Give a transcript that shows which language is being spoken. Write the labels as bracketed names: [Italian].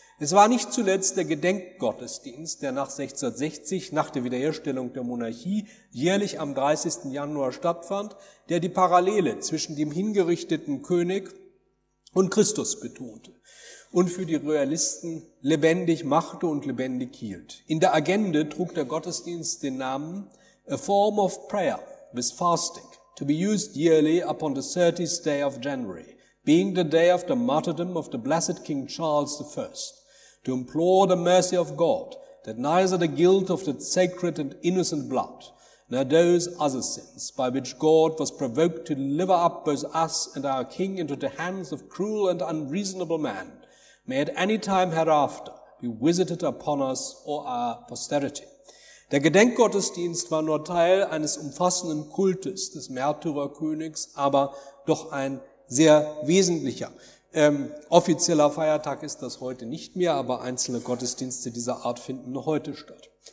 [German] Es war nicht zuletzt der Gedenkgottesdienst, der nach 1660, nach der Wiederherstellung der Monarchie, jährlich am 30. Januar stattfand, der die Parallele zwischen dem hingerichteten König und Christus betonte und für die Royalisten lebendig machte und lebendig hielt. In der Agenda trug der Gottesdienst den Namen [English] "A form of prayer with fasting, to be used yearly upon the 30th day of January, being the day of the martyrdom of the blessed King Charles I, to implore the mercy of God, that neither the guilt of the sacred and innocent blood, nor those other sins, by which God was provoked to deliver up both us and our king into the hands of cruel and unreasonable men, may at any time hereafter be visited upon us or our posterity." [German] Der Gedenkgottesdienst war nur Teil eines umfassenden Kultes des Märtyrerkönigs, aber doch ein sehr wesentlicher. Offizieller Feiertag ist das heute nicht mehr, aber einzelne Gottesdienste dieser Art finden heute statt.